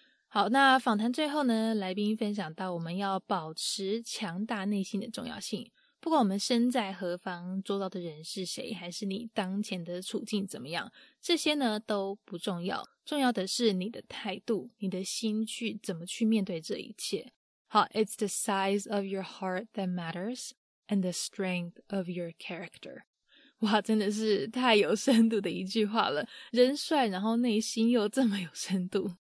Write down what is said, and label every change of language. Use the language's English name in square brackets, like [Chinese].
[Chinese] 好，那访谈最后呢，来宾分享到我们要保持强大内心的重要性，不管我们身在何方，做到的人是谁，还是你当前的处境怎么样，这些呢都不重要，重要的是你的态度，你的心去怎么去面对这一切。 [English] 好， It's the size of your heart that matters and the strength of your character。 [Chinese] 哇，真的是太有深度的一句话了，人帅然后内心又这么有深度。